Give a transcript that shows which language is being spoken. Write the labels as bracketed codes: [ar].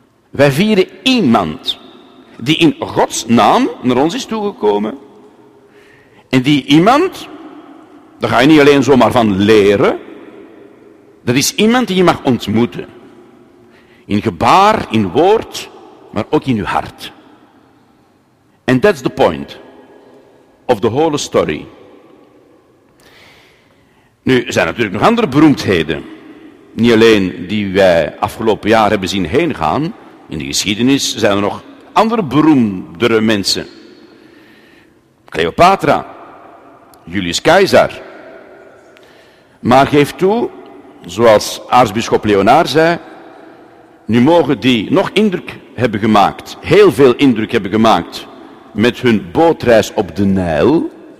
[nl] Wij vieren iemand die in Gods naam naar ons is toegekomen. En die iemand, daar ga je niet alleen zomaar van leren, dat is iemand die je mag ontmoeten. In gebaar, in woord, maar ook in je hart. [en] And that's the point of the whole story. [nl] Nu, er zijn natuurlijk nog andere beroemdheden. Niet alleen die wij afgelopen jaar hebben zien heen gaan. In de geschiedenis zijn er nog andere beroemdere mensen. Cleopatra, Julius Caesar. Maar geef toe, zoals aartsbisschop Leonard zei, nu mogen die nog indruk hebben gemaakt, heel veel indruk hebben gemaakt, met hun bootreis op de Nijl.